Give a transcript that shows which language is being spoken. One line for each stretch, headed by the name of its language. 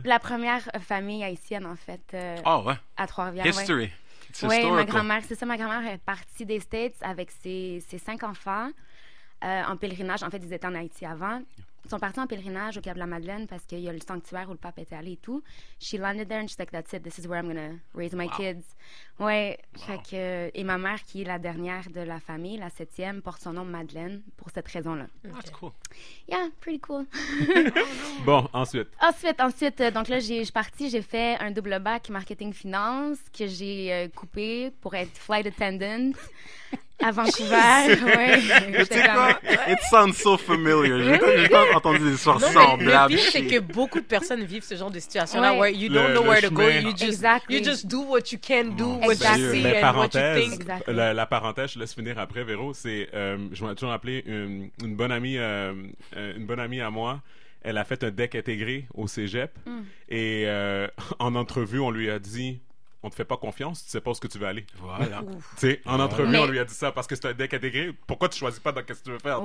French: La première famille haïtienne, en fait. Oh ouais. À Trois-Rivières.
English: History.
French: Ouais. Oui, ma grand-mère, c'est ça, ma grand-mère est partie des States avec ses 5 enfants en pèlerinage. En fait, ils étaient en Haïti avant. Ils sont partis en pèlerinage au Cap de la Madeleine parce qu'il y a le sanctuaire où le pape était allé et tout.
English: She landed there and she's like, that's it, this is where I'm going to raise my kids.
French: Oui, wow. Et ma mère, qui est la dernière de la famille, la 7e, porte son nom Madeleine pour cette raison-là.
English: That's cool. Yeah, pretty cool.
French: Bon, ensuite. Ensuite, donc là, je suis partie, j'ai fait un double bac marketing finance que j'ai coupé pour être flight attendant. À Vancouver,
English: oui. It sounds so familiar.
French: J'ai entendu des histoires semblables. Le pire, c'est que beaucoup de personnes vivent ce genre de situation-là
English: where you don't know where to go. You just do what you can do, what you see, and what you think.
French: La parenthèse, je laisse finir après, Véro. C'est, je m'en ai toujours appelé une bonne amie à moi. Elle a fait un deck intégré au cégep. Mm. Et en entrevue, on lui a dit... On te fait pas confiance, tu sais pas où ce que tu veux aller. Voilà. Tu sais, en entrevue, on lui a dit ça parce que c'est un deck intégré. Pourquoi tu choisis pas dans qu'est-ce que tu veux faire?